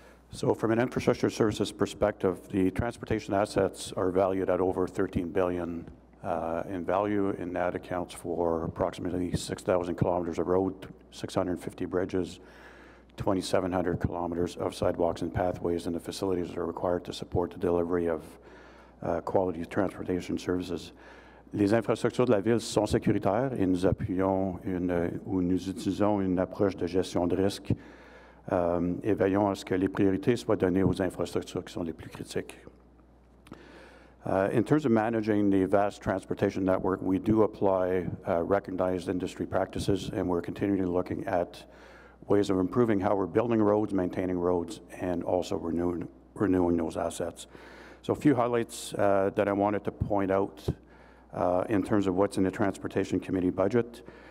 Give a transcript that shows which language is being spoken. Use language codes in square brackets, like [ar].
[en] So from an infrastructure services perspective, the transportation assets are valued at over $13 billion in value, and that accounts for approximately 6,000 kilometers of road, 650 bridges, 2,700 kilometers of sidewalks and pathways, and the facilities that are required to support the delivery of quality transportation services. [fr] Les infrastructures de la ville sont sécuritaires et nous appuyons nous utilisons une approche de gestion de risque. Et veillons à ce que les priorités soient données aux infrastructures qui sont les plus critiques. [en] In terms of managing the vast transportation network, we do apply recognized industry practices, and we're continually looking at ways of improving how we're building roads, maintaining roads, and also renewing those assets. So a few highlights that I wanted to point out in terms of what's in the Transportation Committee budget.